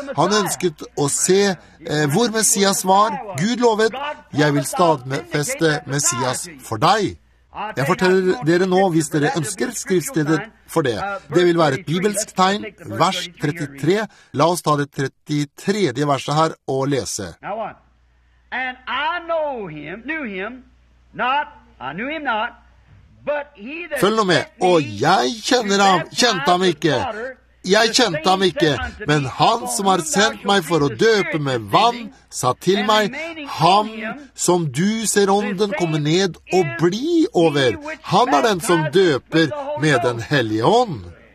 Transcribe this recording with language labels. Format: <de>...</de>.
<no>Han ønsket å se hvor Messias var. Gud lovet, jeg vil stadfeste Messias for deg. Jeg forteller dere nå, hvis dere ønsker skriftstedet for det. Det vil være et bibelsk tegn, vers 33. La oss ta det 33. verset her og lese.</no> <en>And I know him, knew him, not, I knew him not, but he that</en> <no>Følg nå med. Og jeg kjenner ham, kjente ham ikke. Jeg kjente ham ikke, men han som har sendt meg for å døpe med vann, sa til meg, ham som du ser ånden komme ned og bli over, han den som døper med den hellige ånd.</no>